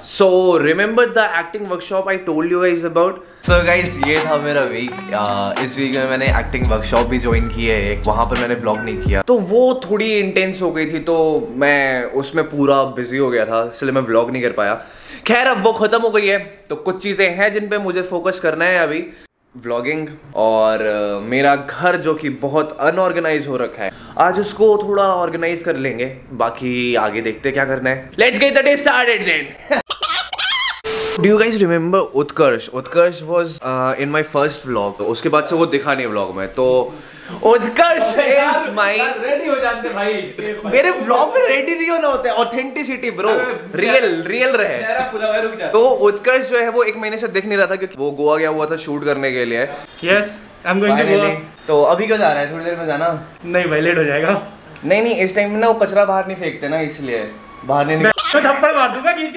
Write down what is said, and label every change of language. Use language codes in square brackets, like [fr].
[en] So, remember the acting workshop I told you guys about? So guys, [hi] ये था मेरा week. इस week में मैंने acting workshop भी join की है एक. वहाँ पर मैंने vlog नहीं किया. तो वो थोड़ी intense हो गई थी. तो मैं उसमें पूरा busy हो गया था. इसलिए मैं vlog नहीं कर पाया. खैर अब वो खत्म हो गई है. तो कुछ चीजें हैं जिन पे मुझे focus करना है अभी. Vlogging और मेरा घर जो कि बहुत unorganized हो रखा है. आज उसको थोड़ा organize कर लेंगे. बाकी आगे देखते क्या करना है. [en] Let's get the day started then. Do you guys remember Utkarsh? Utkarsh was in my first vlog. [hi] उसके बाद से वो दिखा नहीं vlog में. [en] तो Utkarsh is my [hi] ready हो जाते भाई. मेरे vlog में ready नहीं होना होता है. [en] Authenticity bro, real रहे. [hi] तो Utkarsh जो है वो एक महीने से देख नहीं रहा था क्योंकि वो गोवा गया हुआ था shoot करने के लिए. [en] Yes, I'm going to Goa. [hi] तो अभी क्यों जा रहा है? थोड़ी देर में जाना? नहीं भाई, late हो जाएगा. नहीं नहीं, इस time में ना वो कचरा बाहर नहीं फेंकते ना, इसलिए बाहर नहीं.